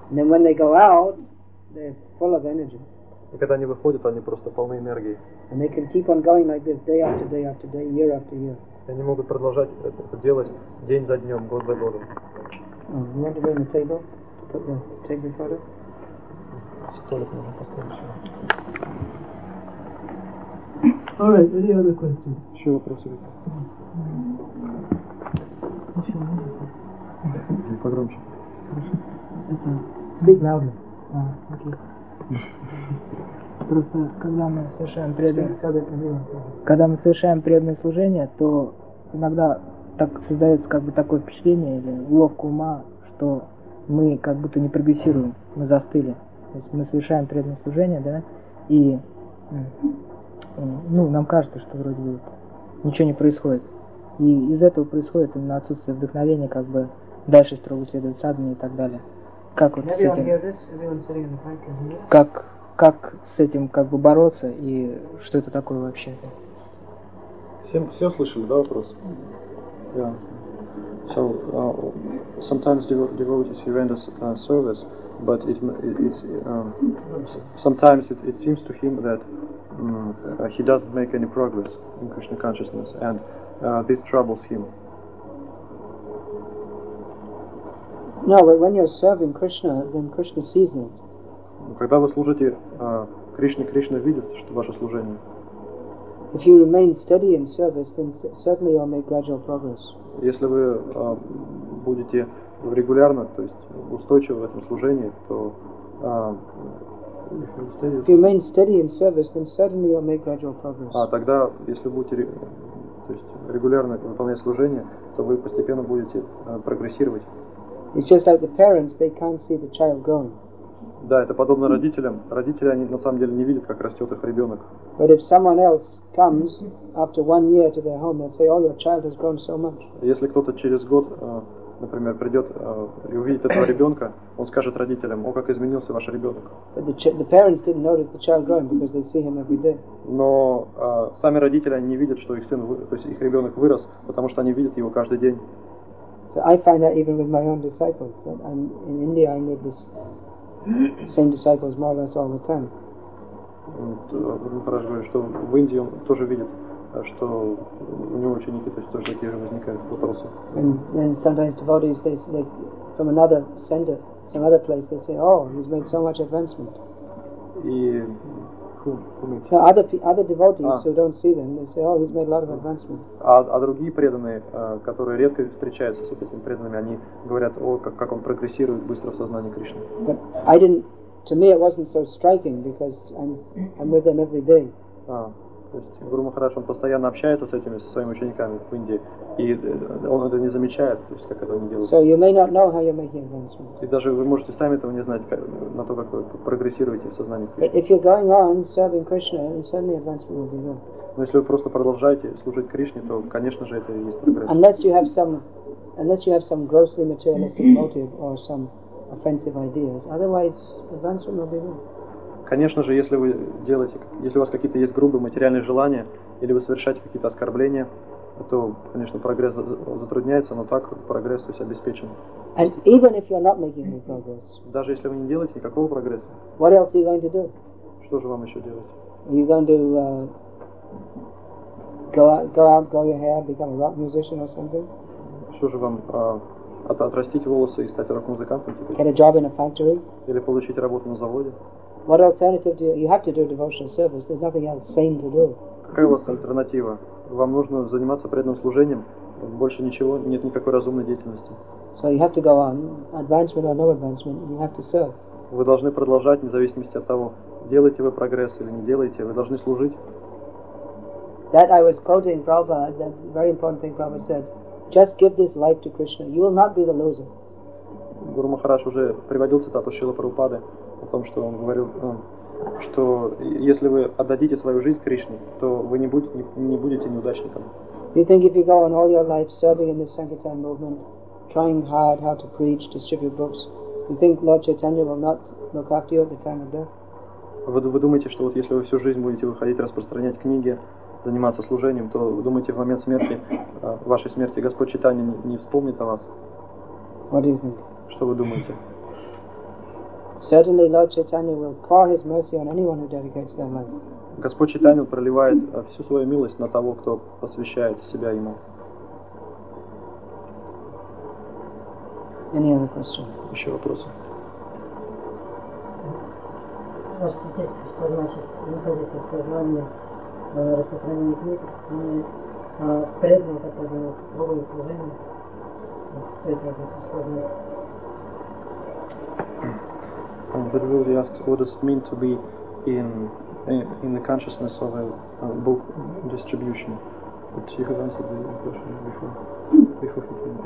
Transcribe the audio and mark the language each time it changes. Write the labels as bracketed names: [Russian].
[English] And then when they go out, they're full of energy. [Russian] И когда они выходят, они просто полны энергии. [English] And they can keep on going like this day after day after day, year after year. [Russian] И они могут продолжать это делать день за днем, год за годом. [English] Oh, you want to bring the table? Take the photo? [Russian] Столик можно поставить сюда. [English] All right, any other questions? [Russian] Еще вопросы? Еще вопросы? Погромче. Хорошо. [English] Speak louder. [Russian] Окей. Просто, когда мы совершаем преданное служение, то иногда так создается как бы такое впечатление или уловка ума, что мы как будто не прогрессируем, мы застыли. То есть мы совершаем преданное служение, да, и... Ну, нам кажется, что вроде бы ничего не происходит. И из этого происходит именно отсутствие вдохновения, как бы дальше строго следовать садхане и так далее. Как вот с этим? Как с этим как бы бороться и что это такое вообще? Все слышали, да, вопрос? [English] Yeah. So sometimes devotees render service, but it seems to him that he doesn't make any progress in Krishna consciousness, and this troubles him. No, but when you're serving Krishna, then Krishna sees it. [Russian] Когда вы служите Кришне, Кришна видит, что ваше служение. [English] If you remain steady in service, then certainly you'll make gradual progress. [Russian] Если вы будете регулярно, то есть устойчиво в этом служении, то [English] If you remain steady in service, then certainly you'll make gradual progress. [Russian] А тогда, если будете, то есть регулярно выполнять служение, то вы постепенно будете прогрессировать. [English] It's just like the parents; they can't see the child growing. [Russian] Да, это подобно родителям. Родители они на самом деле не видят, как растет их ребенок. [English] But if someone else comes after 1 year to their home, they'll say, "Oh, your child has grown so much." [Russian] Если кто-то через год например, придет и увидит этого ребенка, он скажет родителям, о, как изменился ваш ребенок. Но сами родители они не видят, что их сын, то есть их ребенок вырос, потому что они видят его каждый день. [English] So I find that even with my own disciples, that I'm in India, I meet the same disciples more or less all the time. [Russian] Поражаю, что в Индии он тоже видит. Что у него ученики, то есть тоже такие же возникают вопросы. [English] And sometimes devotees they from another center, some other place, they say, oh, he's made so much advancement. [Russian] И [English] So other devotees who don't see them, they say, oh, he's made a lot of advancement. [Russian] А другие преданные, которые редко встречаются с этими преданными, они говорят, о, как он прогрессирует быстро в сознании Кришны. [English] But I didn't. To me, it wasn't so striking because I'm with them every day. [Russian] То есть Гуру Махарадж он постоянно общается с этими, со своими учениками в Индии, и он это не замечает, то есть как это они делают. [English] So you may not know how you're making advancement. [Russian] И даже вы можете сами этого не знать, на то, как вы прогрессируете в сознании Кришны. [English] But if you're going on serving Krishna, then suddenly advancement will be good. [Russian] Но если вы просто продолжаете служить Кришне, то, конечно же, это и есть прогресс. [English] Unless you have some grossly materialistic motive or some offensive ideas, otherwise advancement will be good. [Russian] Конечно же, если вы делаете, если у вас какие-то есть грубые материальные желания, или вы совершаете какие-то оскорбления, то, конечно, прогресс затрудняется, но так прогресс, то есть, обеспечен. [English] And even if you're not making any progress, [Russian] даже если вы не делаете никакого прогресса, [English] what else are you going to do? [Russian] Что же вам еще делать? [English] Are you going to go out, grow your hair, become a rock musician or something? [Russian] Что же вам отрастить волосы и стать рок-музыкантом? Теперь? [English] Get a job in a factory? [Russian] Или получить работу на заводе? [English] What alternative do you have to do devotional service? There's nothing else sane to do. [Russian] Какая у вас альтернатива? Вам нужно заниматься преданным служением. Больше ничего, нет никакой разумной деятельности. [English] So you have to go on, advancement or no advancement, you have to serve. [Russian] Вы должны продолжать, вне зависимости от того, делаете вы прогресс или не делаете, вы должны служить. [English] That I was quoting Prabhupada, that very important thing Prabhupada said. Just give this life to Krishna, you will not be the loser. [Russian] Гуру Махарадж уже приводил цитату Шрилы Прабхупады о том, что он говорил, что если вы отдадите свою жизнь Кришне, то вы не будете неудачником. [English] You think if you go on all your life serving in the Sankirtan movement, trying hard how to preach, distribute books, you think Lord Chaitanya will not look after you at the time of death? [Russian] Вы думаете, что вот если вы всю жизнь будете выходить, распространять книги, заниматься служением, то вы думаете, в момент смерти, вашей смерти, Господь Чайтанья не вспомнит о вас? [English] What do you think? [Russian] Что вы думаете? [English] Certainly, Lord Chaitanya will pour his mercy on anyone who dedicates their life. [Russian] Господь Чайтанья проливает всю свою милость на того, кто посвящает себя ему. [English] Any other question? [Russian] Еще вопросы? Ваш текст, что значит выходит из сознания распространения книг, не преданно такое новое служение, что это значит, что значит? [English] But we really ask, what does it mean to be in the consciousness of a book distribution? But you have answered the question before he came.